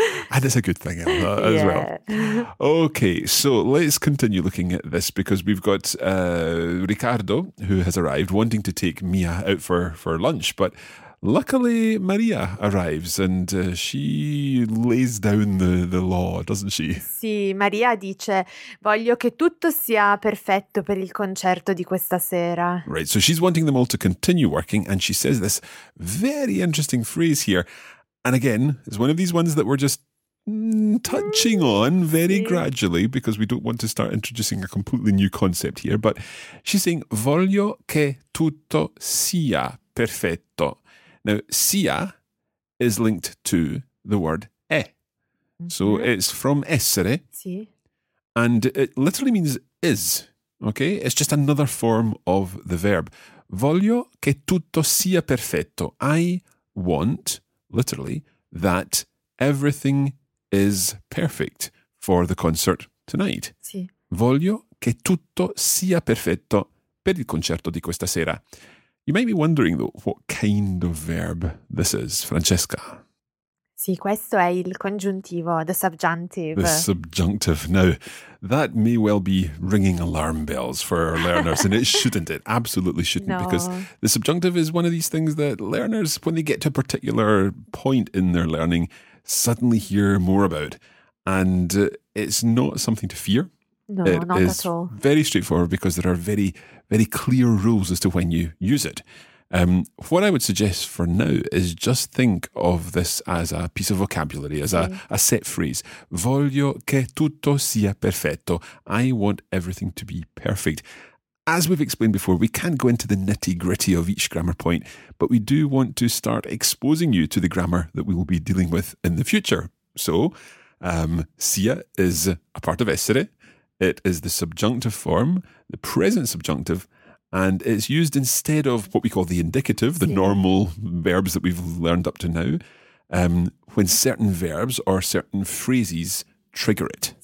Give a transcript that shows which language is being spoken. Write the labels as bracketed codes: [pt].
[en] And it's a good thing as well. Okay, so let's continue looking at this because we've got Ricardo, who has arrived, wanting to take Mia out for lunch. But luckily, Maria arrives and she lays down the law, doesn't she? [it] Sì, Maria dice, voglio che tutto sia perfetto per il concerto di questa sera. [en] Right, so she's wanting them all to continue working and she says this very interesting phrase here. And again, it's one of these ones that we're just touching on very gradually because we don't want to start introducing a completely new concept here. But she's saying, [it] voglio che tutto sia perfetto. [en] Now, sia is linked to the word è. So it's from essere. [it] Sì. [en] And it literally means is. Okay? It's just another form of the verb. [it] Voglio che tutto sia perfetto. [en] I want, literally, that everything is perfect for the concert tonight. [it] Sì. Voglio che tutto sia perfetto per il concerto di questa sera. [en] You might be wondering, though, what kind of verb this is, Francesca. [it] Sì, questo è il congiuntivo, [en] the subjunctive. The subjunctive. Now, that may well be ringing alarm bells for our learners, and it shouldn't. It absolutely shouldn't, no. Because the subjunctive is one of these things that learners, when they get to a particular point in their learning, suddenly hear more about. And it's not something to fear. No, it not is at all. Very straightforward because there are very, very clear rules as to when you use it. What I would suggest for now is just think of this as a piece of vocabulary, as a set phrase. [it] Voglio che tutto sia perfetto. [en] I want everything to be perfect. As we've explained before, we can't go into the nitty-gritty of each grammar point, but we do want to start exposing you to the grammar that we will be dealing with in the future. So, sia is a part of essere. It is the subjunctive form, the present subjunctive, and it's used instead of what we call the indicative, the normal verbs that we've learned up to now, when certain verbs or certain phrases trigger it.